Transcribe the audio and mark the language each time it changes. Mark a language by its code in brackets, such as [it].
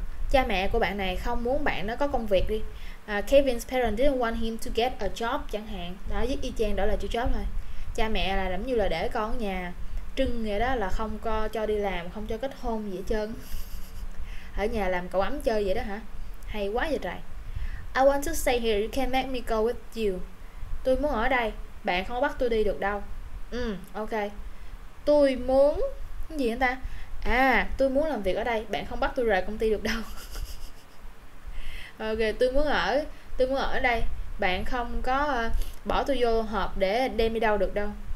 [vi] Cha mẹ của bạn này không muốn bạn nó có công việc đi. [en] Kevin's parents didn't want him to get a job [vi] chẳng hạn. Đó, với y chang đó là chữ job thôi. Cha mẹ là giống như là để con ở nhà trưng vậy đó, là không có cho đi làm, không cho kết hôn gì hết trơn. Ở nhà làm cậu ấm chơi vậy đó hả? Hay quá vậy trời. [en] I want to stay here, you can't make me go with you. [vi] Tôi muốn ở đây, bạn không bắt tôi đi được đâu. Ok. Tôi muốn cái gì anh ta? À, tôi muốn làm việc ở đây, bạn không bắt tôi rời công ty được đâu. Ok, tôi muốn ở đây, bạn không có bỏ tôi vô hộp để đem đi đâu được đâu.